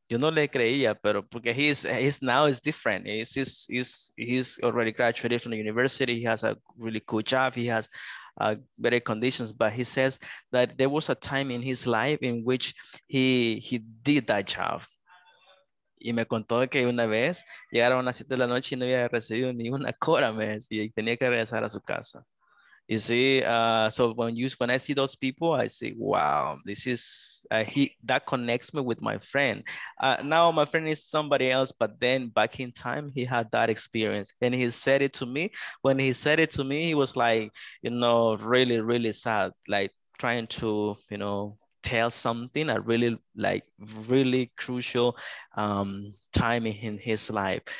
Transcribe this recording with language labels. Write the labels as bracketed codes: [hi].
[es] Yo no le creía, pero porque [en] he's now is different. He's already graduated from the university. He has a really cool job. He has better conditions, but he says that there was a time in his life in which he did that job. [es] Y me contó que una vez llegaron a las 7 de la noche y no había recibido ni una cora, mes, y tenía que regresar a su casa. [en] You see, so when I see those people, I say, wow, this is, that connects me with my friend. Now my friend is somebody else, but then back in time, he had that experience. And he said it to me. When he said it to me, he was like, you know, really, really sad, like trying to, you know, tell something, a really, like, really crucial time in his life.